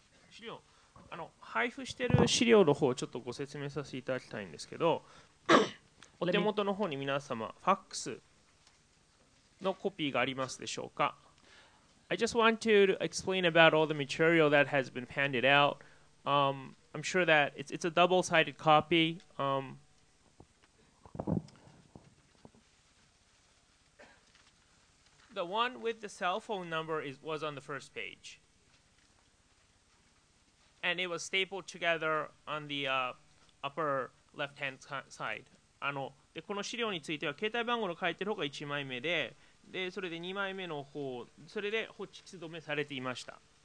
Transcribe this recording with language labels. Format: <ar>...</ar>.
<ja>資料、配布している資料の方をちょっとご説明させていただきたいんですけど、お手元の方に皆様、ファックスのコピーがありますでしょうか。</ja> <en>I just want to explain about all the material that has been handed out. I'm sure that it's a double-sided copy. The one with the cell phone number was on the first page. And it was stapled together on the upper left-hand side.</en> <ja>で、この資料については、携帯番号の書いてる方が1枚目で、で、それで2枚目の方、それでホッチキス止めされていました。</ja>